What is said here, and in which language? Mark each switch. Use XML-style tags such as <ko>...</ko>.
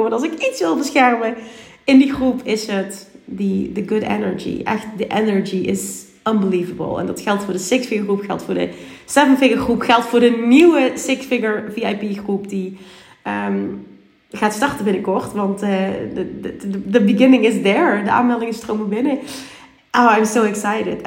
<nl>Want als ik iets wil beschermen in die groep, is het de</nl> <en>good energy.</en> <nl>Echt, de energy is... unbelievable. En dat geldt voor de Six Figure groep, geldt voor de Seven Figure groep, geldt voor de nieuwe Six Figure VIP groep die gaat starten binnenkort. Want de</nl> <en>beginning is there.</en> <nl>De aanmeldingen stromen binnen.</nl> <en>Oh, I'm so excited.</en>